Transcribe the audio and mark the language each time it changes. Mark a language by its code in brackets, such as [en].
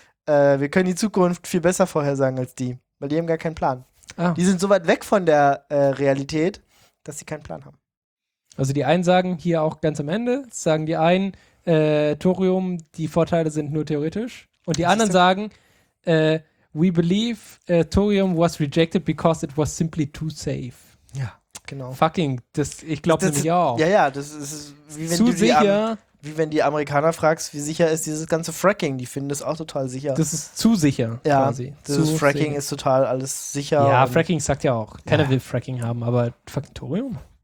[de] Wir können die Zukunft viel besser vorhersagen als die, weil die haben gar keinen Plan. Ah. Die sind so weit weg von der Realität, dass sie keinen Plan haben. Also die einen sagen hier auch ganz am Ende, sagen die einen, Thorium, die Vorteile sind nur theoretisch. Und die anderen sagen, [en] we believe Thorium was rejected because it was simply too safe. [de] Ja, genau. Fucking, das, ich glaube das nämlich auch. Ja, das ist wie wenn, wie wenn die Amerikaner fragst, wie sicher ist dieses ganze Fracking? Die finden das auch total sicher. Das ist zu sicher, ja, quasi. Dieses Fracking ist total alles sicher. Ja, Fracking sagt ja auch. Keiner will Fracking haben, aber fucking Thorium?